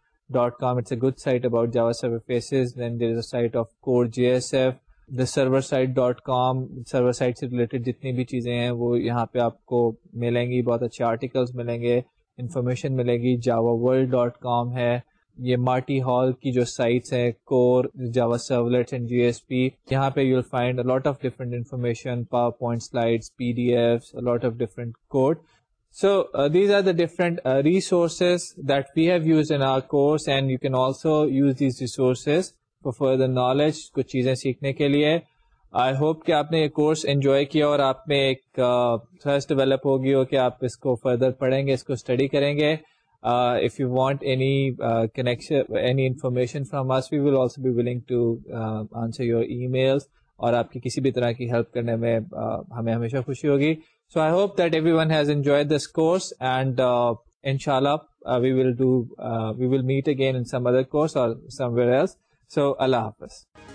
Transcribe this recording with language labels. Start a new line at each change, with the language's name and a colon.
English: gsfcentral.com, it's a good site about Java server faces. Then there is a site of CoreJSF, the serverside.com,
Urdu: server side سے related جتنی بھی چیزیں ہیں وہ یہاں پہ آپ کو ملیں گی, بہت اچھے آرٹیکلس ملیں گے, انفارمیشن ملے گی. javaworld.com ہے, یہ مارٹی ہال کی جو سائٹس ہیں کور, جاوا سرولیٹس اینڈ جی ایس پی, یہاں پہ
English: you will find a lot of different information,
Urdu: power point slides, P D ایفس, a lot of different code.
English: so these are the different resources that we have use in our course, and you can also use these resources for further knowledge,
Urdu: کچھ چیزیں سیکھنے کے لیے. I hope کہ آپ نے یہ course enjoy کیا اور آپ میں ایک تھرسٹ ڈیولپ ہوگی ہو کہ آپ اس کو فردر پڑھیں گے, اس کو اسٹڈی کریں گے.
English: If you want any connection, any information from us, we will also be willing to answer your emails.
Urdu: اور آپ کی کسی بھی طرح کی ہیلپ کرنے میں ہمیں ہمیشہ خوشی ہوگی.
English: So I hope that everyone has enjoyed this course, and انشاءاللہ we will meet again in some other course or somewhere else. So اللہ حافظ.